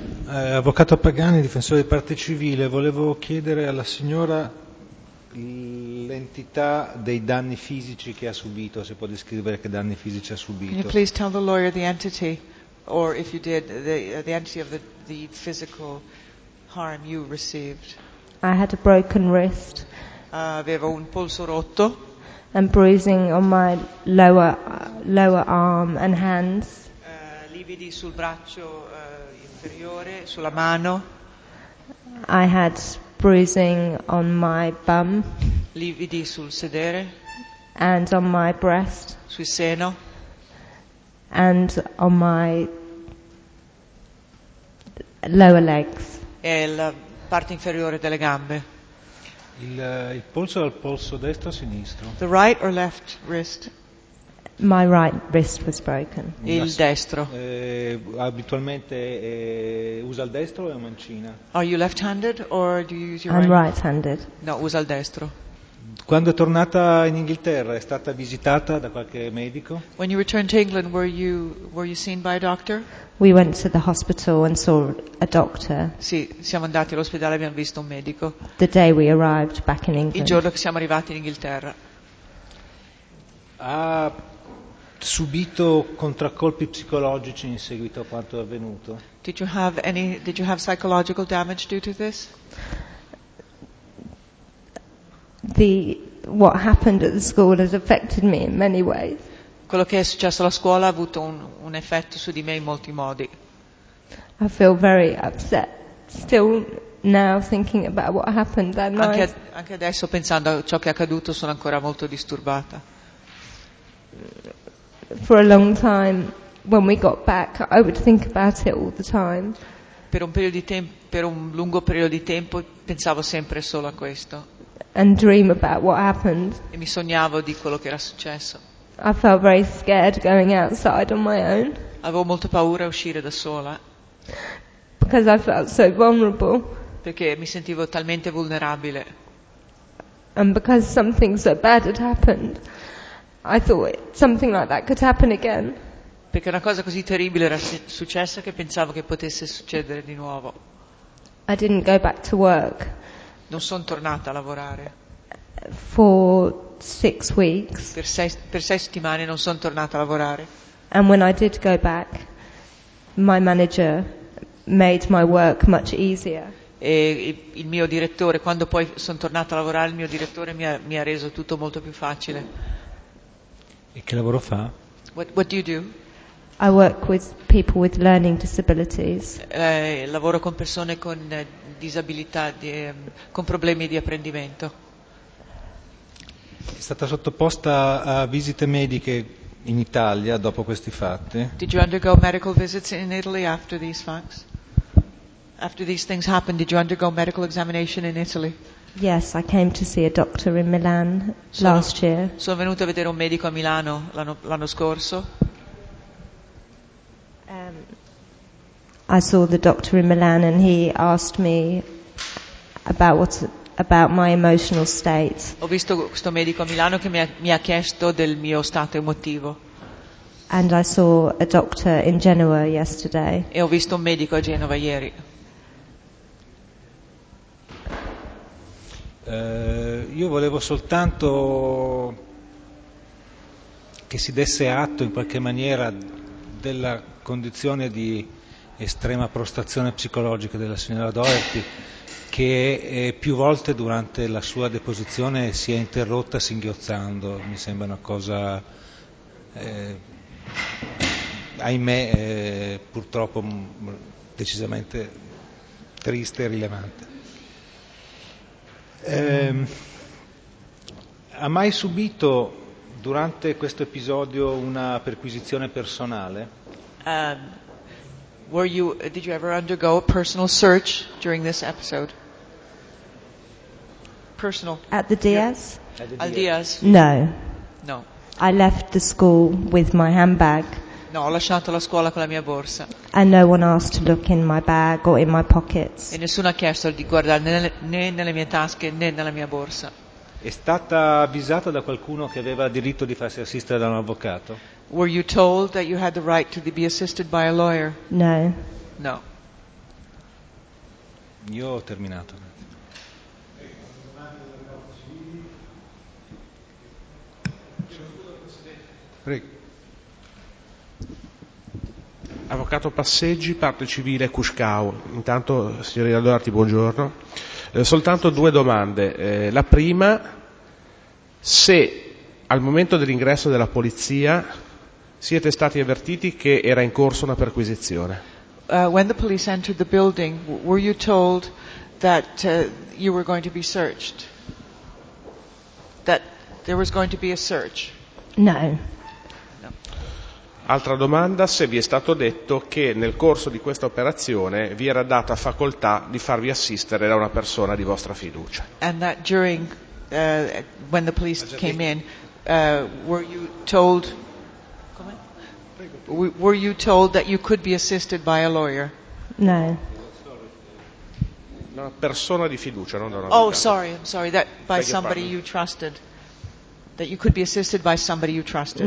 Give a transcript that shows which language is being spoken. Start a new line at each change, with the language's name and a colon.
Italian: Avvocato Pagani, difensore di parte civile, volevo chiedere alla signora l'entità dei danni fisici che ha subito, se può descrivere che danni fisici ha subito.
English: Can you please tell the lawyer the entity, or if you did, the entity of the physical harm you received? I had a broken wrist.
Italian: Avevo un polso rotto.
English: And bruising on my lower arm and hands.
Italian: Lividi sul braccio inferiore, sulla mano.
English: I had bruising on my bum.
Italian: Lividi sul sedere.
English: And on my breast.
Italian: Sul seno.
English: And on my lower legs.
Italian: E la parte inferiore delle gambe. Il polso dal polso destro o sinistro?
English: The right or left wrist? My right wrist was broken.
Italian: Il destro. Abitualmente usa il destro o è mancina?
English: Are you left-handed or do you use your I'm right? Right-handed.
Italian: No, usa il destro. Quando è tornata in Inghilterra è stata visitata da qualche medico?
English: When you returned to England were you seen by a doctor? We went to the hospital and saw a doctor.
Italian: Sì, siamo andati all'ospedale e abbiamo visto un medico.
English: The day we arrived back in England.
Italian: Il giorno che siamo arrivati in Inghilterra. Ha subito contraccolpi psicologici in seguito a quanto è avvenuto?
English: Did you have psychological damage due to this? What happened at the school has affected me in many ways.
Italian: Quello che è successo alla scuola ha avuto un effetto su di me in molti modi.
English: I feel very upset still now thinking about what happened that night.
Italian: Anche adesso pensando a ciò che è accaduto sono ancora molto disturbata.
English: For a long time when we got back I would think about it all the time.
Italian: Per un lungo periodo di tempo pensavo sempre solo a questo.
English: And dream about what happened.
Italian: E mi sognavo di quello che era successo.
English: I felt very scared going outside on my own.
Italian: Avevo molta paura a uscire da sola.
English: Because I felt so vulnerable.
Italian: Perché mi sentivo talmente vulnerabile.
English: And because something so bad had happened, I thought something like that could happen again.
Italian: Perché una cosa così terribile era successa che pensavo che potesse succedere di nuovo.
English: I didn't go back to work.
Italian: Non sono tornata a lavorare.
English: For 6 weeks.
Italian: Per sei settimane non sono tornata a lavorare.
English: And when I did go back, my manager made my work much easier.
Italian: E il mio direttore, quando poi sono tornata a lavorare, il mio direttore mi ha reso tutto molto più facile. E che lavoro fa?
English: What do you do? I work with people with learning disabilities.
Italian: Lavoro con persone con disabilità, con problemi di apprendimento. È stata sottoposta a visite mediche in Italia dopo questi fatti?
English: Did you undergo medical visits in Italy after these facts? After these things happened, did you undergo medical examination in Italy? Yes, I came to see a doctor in Milan last year.
Italian: Sono venuta a vedere un medico a Milano l'anno scorso.
English: I saw the doctor in Milan and he asked me about what about my emotional state.
Italian: Ho visto questo medico a Milano che mi ha chiesto del mio stato emotivo.
English: And I saw a doctor in Genoa yesterday.
Italian: E ho visto un medico a Genova ieri. Io volevo soltanto che si desse atto in qualche maniera della condizione di estrema prostrazione psicologica della signora Doherty, che più volte durante la sua deposizione si è interrotta singhiozzando. Mi sembra una cosa, ahimè, purtroppo decisamente triste e rilevante. Ha mai subito durante questo episodio una perquisizione personale?
English: Did you ever undergo a personal search during this episode? Personal. At the Diaz? Yeah. At the Diaz. No.
Italian: No.
English: I left the school with my handbag.
Italian: No, ho lasciato la scuola con la mia borsa.
English: And no one asked to look in my bag or in my pockets.
Italian: E nessuno ha chiesto di guardare né nelle mie tasche né nella mia borsa. È stata avvisata da qualcuno che aveva diritto di farsi assistere da un avvocato?
English: Were you told that you had the right to be assisted by a lawyer? No.
Italian: No. Io ho terminato. Prego. Avvocato Passeggi, parte civile Cuscau. Intanto, signorina Doherty, buongiorno. Soltanto due domande. La prima, se al momento dell'ingresso della polizia siete stati avvertiti che era in corso una perquisizione.
English: When the police entered the building, were you told that you were going to be searched? That there was going to be a search? No.
Italian: Altra domanda, se vi è stato detto che nel corso di questa operazione vi era data facoltà di farvi assistere da una persona di vostra fiducia.
English: And that during when the police came in, were you told were you told that you could be assisted by a lawyer? No.
Italian: Una persona di fiducia, non da una.
English: Oh, sorry, I'm sorry, that by somebody you trusted. That you could be assisted by somebody you trusted.